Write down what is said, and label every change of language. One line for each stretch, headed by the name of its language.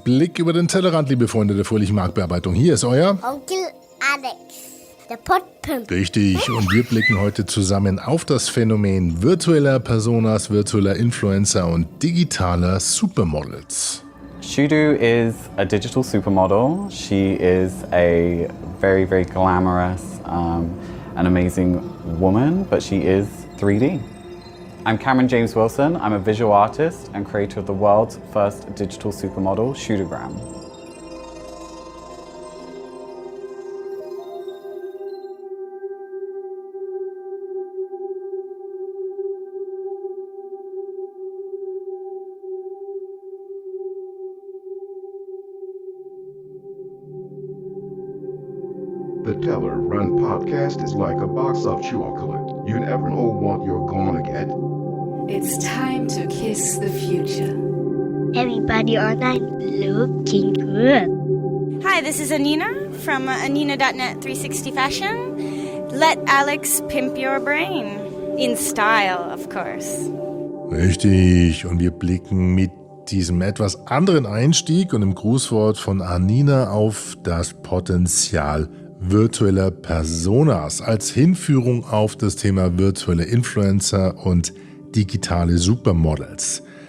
German: Blick über den Tellerrand, liebe Freunde der fröhlichen Marktbearbeitung. Hier ist euer Onkel Alex, der Potpimp. Richtig, und wir blicken heute zusammen auf das Phänomen virtueller Personas, virtueller Influencer und digitaler Supermodels.
English: Shudu is a digital supermodel. She is a very, very glamorous and amazing woman, but she is 3D. I'm Cameron James Wilson. I'm a visual artist and creator of the world's first digital supermodel, Shudugram. The Teller Run podcast is like a box of chocolate. You never know what you're gonna get. It's time to kiss the future. Everybody online looking good. Hi, this is Anina from Anina.net 360 Fashion. Let Alex pimp your brain. In style, of course.
German: Richtig, und wir blicken mit diesem etwas anderen Einstieg und im Grußwort von Anina auf das Potenzial virtueller Personas als Hinführung auf das Thema virtuelle Influencer und digitale Supermodels.